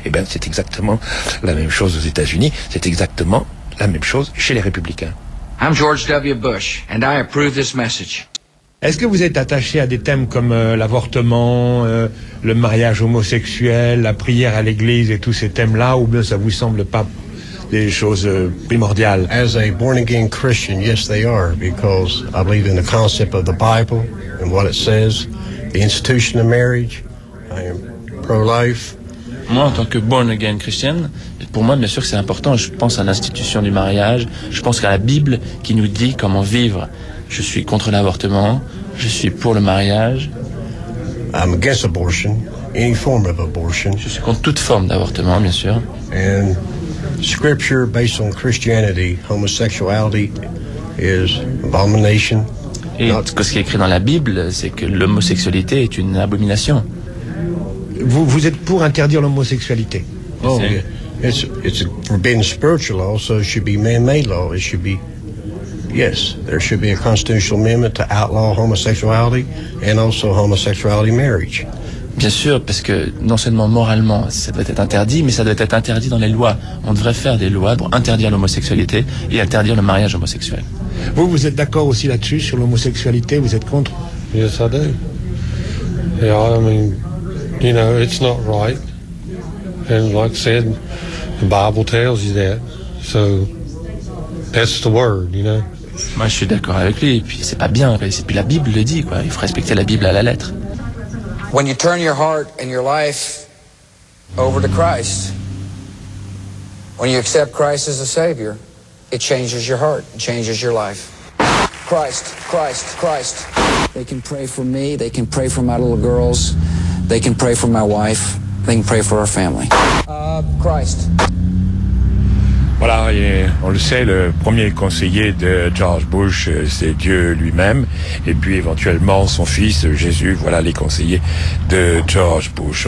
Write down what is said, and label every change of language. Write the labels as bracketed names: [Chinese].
[French] Eh bien c'est exactement la même chose aux États-Unis, c'est exactement la même chose chez les républicains. [English] I'm George W. Bush, and I approve this message. [French] Est-ce que vous êtes attaché à des thèmes comme l'avortement, le mariage homosexuel, la prière à l'église et tous ces thèmes-là, ou bien ça vous semble pas des choses primordiales? [English] As a born-again Christian, yes, they are, because I believe in the concept of the Bible and what it says, the institution of marriage. I am pro-life. [French] Moi, en tant que born-again Christian, pour moi, bien sûr que c'est important. Je pense à l'institution du mariage. Je pense à la Bible qui nous dit comment vivre. Je suis contre l'avortement. Je suis pour le mariage. [English] I'm against abortion, any form of abortion. [French] Je suis contre toute forme d'avortement, bien sûr. [English] And scripture based on Christianity, homosexuality is abomination. [French] Et ce qui est écrit dans la Bible, c'est que l'homosexualité est une abomination. Vous êtes pour interdire l'homosexualité? [English] Oh, yeah. It's a forbidden spiritual law, so it should be man-made law. It should be, yes, there should be a constitutional amendment to outlaw homosexuality and also homosexuality marriage. [French] Bien sûr, parce que non seulement moralement, ça doit être interdit, mais ça doit être interdit dans les lois. On devrait faire des lois pour interdire l'homosexualité et interdire le mariage homosexuel. Vous, vous êtes d'accord aussi là-dessus, sur l'homosexualité, vous êtes contre ? [English] Yes, I do. Yeah, I mean, you know, it's not right. And like I said, the Bible tells you that. So, that's the word, you know. [French] Moi, je suis d'accord avec lui. Et puis, c'est pas bien. Et puis, la Bible le dit, quoi. Il faut respecter la Bible à la lettre. [English] When you turn your heart and your life over to Christ, when you accept Christ as a Savior, it changes your heart, it changes your life. Christ, Christ, Christ. They can pray for me, they can pray for my little girls, they can pray for my wife, they can pray for our family. Christ. [French] Voilà, et on le sait, le premier conseiller de George Bush, c'est Dieu lui-même, et puis éventuellement son fils Jésus, voilà les conseillers de George Bush.